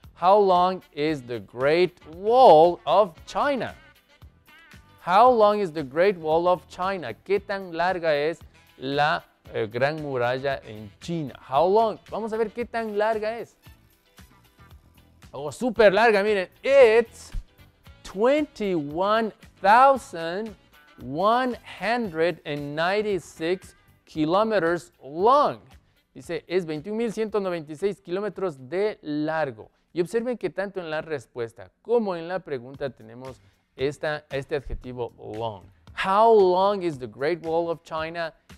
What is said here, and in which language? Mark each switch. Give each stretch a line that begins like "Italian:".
English: How long is the Great Wall of China? How long is the Great Wall of China?
Spanish: ¿Qué tan larga es la Gran Muralla en China?
English: How long?
Spanish: Vamos a ver qué tan larga es. Oh, súper larga, miren.
English: It's 21,196 kilómetros long.
Spanish: Dice, es 21,196 kilómetros de largo. Y observen que tanto en la respuesta como en la pregunta tenemos este adjetivo long.
English: How long is the Great Wall of China?